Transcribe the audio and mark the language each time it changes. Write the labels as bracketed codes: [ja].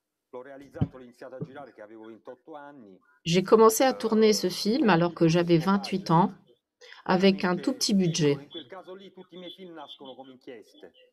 [it] L'ho realizzato, l'ho iniziato a girare che avevo 28 anni. [fr] J'ai commencé à tourner ce film alors que j'avais 28 ans, avec un tout petit budget. [it] In quel caso lì tutti i miei film nascono come inchieste.